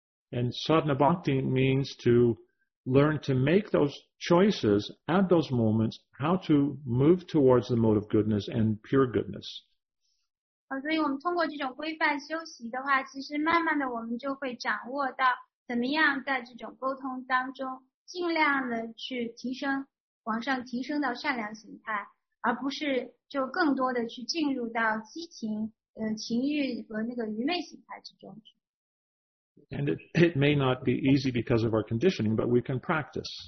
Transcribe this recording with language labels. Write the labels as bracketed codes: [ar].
[en] And sadhana bhakti means to learn to make those choices at those moments, how to move towards the mode of goodness and pure goodness. [zh] 所以我们通过这种规范修习的话，其实慢慢的我们就会掌握到怎么样在这种沟通当中，尽量的去提升，往上提升到善良形态，而不是就更多的去进入到激情、情欲和那个愚昧形态之中。 [en] And it may not be easy because of our conditioning, but we can practice.